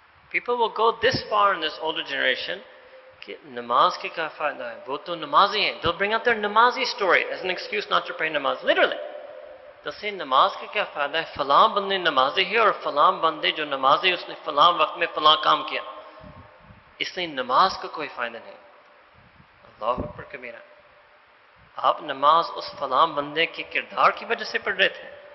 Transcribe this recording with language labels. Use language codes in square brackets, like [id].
[en] People will go this far in this older generation, [ur] نماز کی کا فائدہ ہے, وہ تو نمازی ہے. [en] They'll bring out their namazi story as an excuse not to pray namaz, literally. They'll say, [ur] نماز کا کیا فائدہ ہے, فلاں بندی نمازی ہے, اور فلاں بندی جو نمازی ہے, اس نے فلاں وقت میں فلاں کام کیا. اس نے نماز کا کوئی فائدہ نہیں. [ar] Allahu Akbar kabira. [ur] آپ نماز اس فلاں بندی کے کردار کی وجہ سے پڑ رہے تھے.